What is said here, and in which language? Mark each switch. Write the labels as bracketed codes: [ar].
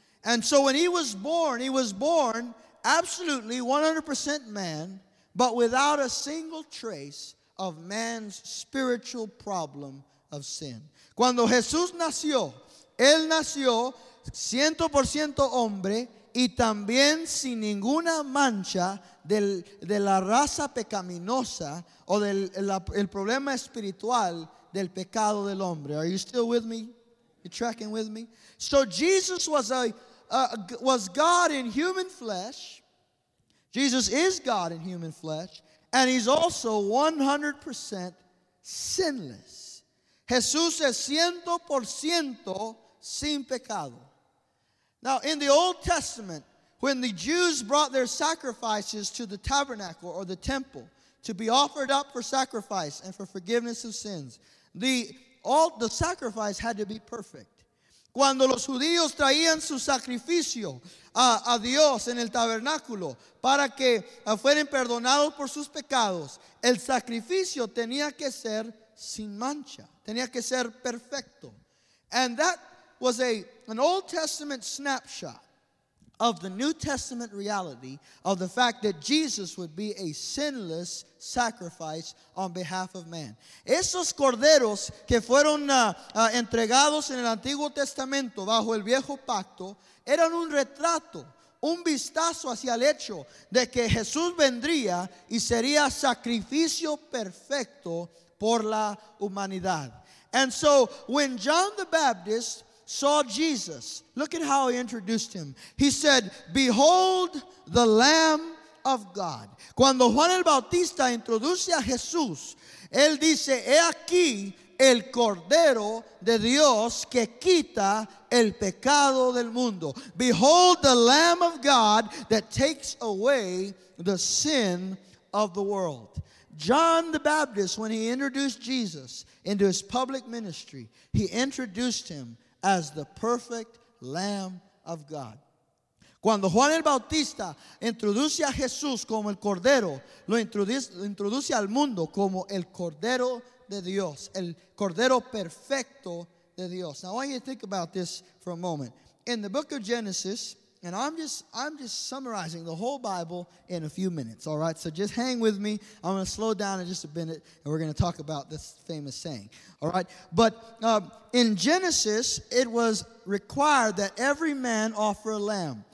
[en] And so when he was born absolutely 100% man, but without a single trace of man's spiritual problem of sin. [es] Cuando Jesús nació, él nació 100% hombre y también sin ninguna mancha de la raza pecaminosa o el problema espiritual del pecado del hombre. [en] Are you still with me? You tracking with me? So Jesus was God in human flesh. Jesus is God in human flesh, and he's also 100% sinless. [es] Jesús es 100% sin pecado. [en] Now, in the Old Testament, when the Jews brought their sacrifices to the tabernacle or the temple to be offered up for sacrifice and for forgiveness of sins, the sacrifice had to be perfect. [es] Cuando los judíos traían su sacrificio a Dios en el tabernáculo para que fueran perdonados por sus pecados, el sacrificio tenía que ser sin mancha, tenía que ser perfecto. [en] And that was an Old Testament snapshot of the New Testament reality of the fact that Jesus would be a sinless sacrifice on behalf of man. [es] Esos corderos que fueron entregados en el Antiguo Testamento bajo el viejo pacto eran un retrato, un vistazo hacia el hecho de que Jesús vendría y sería sacrificio perfecto por la humanidad. [en] And so when John the Baptist saw Jesus, look at how he introduced him. He said, "Behold the Lamb of God." [es] Cuando Juan el Bautista introduce a Jesús, él dice, "He aquí el Cordero de Dios que quita el pecado del mundo." [en] Behold the Lamb of God that takes away the sin of the world. John the Baptist, when he introduced Jesus into his public ministry, he introduced him as the perfect Lamb of God. [es] Cuando Juan el Bautista introduce a Jesús como el Cordero, lo introduce al mundo como el Cordero de Dios, el Cordero perfecto de Dios. [en] Now I want you to think about this for a moment. In the book of Genesis, and I'm just summarizing the whole Bible in a few minutes, all right? So just hang with me. I'm going to slow down in just a minute, and we're going to talk about this famous saying, all right? But in Genesis, it was required that every man offer a lamb.